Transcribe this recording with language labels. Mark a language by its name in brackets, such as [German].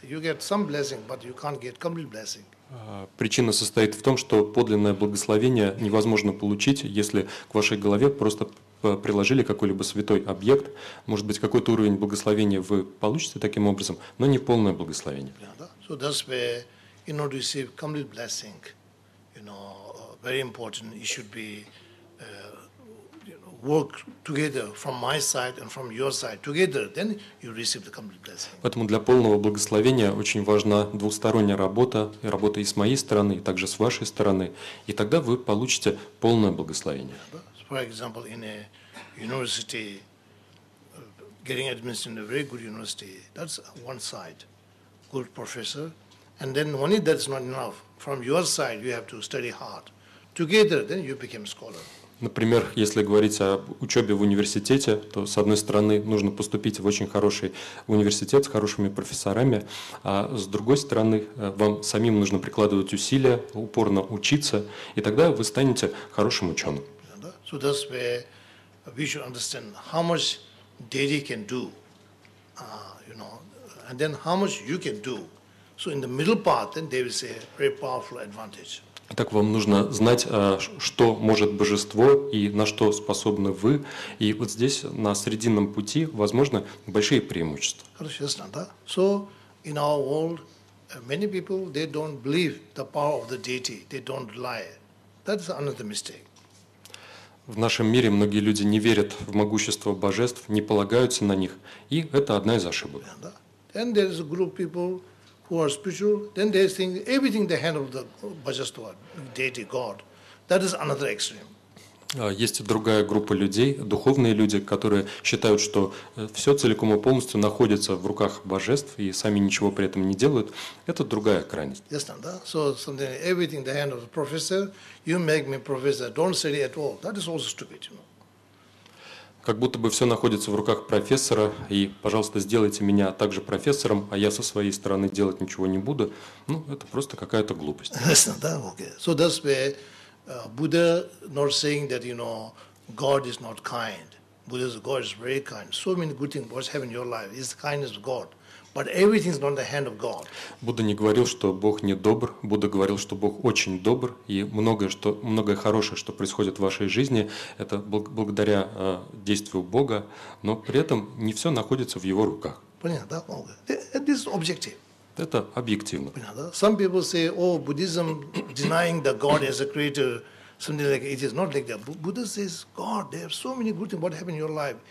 [English] You get some blessing, but you can't get complete blessing. [Russian] Причина состоит в том, что подлинное благословение невозможно получить, если к вашей голове просто приложили какой-либо святой объект. Может быть, какой-то уровень благословения вы получите таким образом, но не полное благословение. [English] So that's where, in order to receive complete blessing, you know, very important, it should be work together from my side and from your side together, then you receive the complete blessing. [Russian] Поэтому для полного благословения очень важна двусторонняя работа, работа и с моей стороны, и также с вашей стороны, и тогда вы получите полное благословение. [English] For example, in a university, getting admission in a very good university, that's one side, good professor, and then only that's not enough. From your side, you have to study hard. Together, then you become scholar. [Russian] Например, если говорить о учебе в университете, то, с одной стороны, нужно поступить в очень хороший университет с хорошими профессорами, а с другой стороны, вам самим нужно прикладывать усилия, упорно учиться, и тогда вы станете хорошим ученым. [English] So that's where we should understand how much daddy can do, you know, and then how much you can do. So in the middle part, then there is a very powerful advantage. [Russian] Так вам нужно знать, что может божество и на что способны вы. И вот здесь, на срединном пути, возможно, большие преимущества. Хорошо, ясно, да? [English] So, in our world, many people, they don't believe the power of the deity. They don't rely. That's another mistake. [Russian] В нашем мире многие люди не верят в могущество божеств, не полагаются на них. И это одна из ошибок. [English] And there is a group of people, who are spiritual, then they think everything they handle the Bajastwa, deity, God. That is another extreme. [Russian] Есть другая группа людей, духовные люди, которые считают, что все целиком и полностью находится в руках божеств и сами ничего при этом не делают. Это другая крайность. [English] Yes, [Russian] да? [English] So something, everything they handle the professor, you make me professor, don't study at all. That is also stupid, you know. [Russian] Как будто бы все находится в руках профессора, и, пожалуйста, сделайте меня также профессором, а я со своей стороны делать ничего не буду. Ну, это просто какая-то глупость. [English] So that's where Buddha not saying that, you know, God is not kind. Buddha's God is very kind. So many good things what's happened in your life is the kindness of God. But everything is not the hand of God. [Russian] Будда не говорил, что Бог не добр. Будда говорил, что Бог очень добр. И многое хорошее, что происходит в вашей жизни, это благодаря действию Бога. Но при этом не все находится в его руках. Понятно, да? [English] It is objective. [Russian] Это объективно. Понятно, да? [English] Some people say, oh, Buddhism denying the God as a creator, something like it is not like that. Buddha says, God, there are so many good things what happened in your life.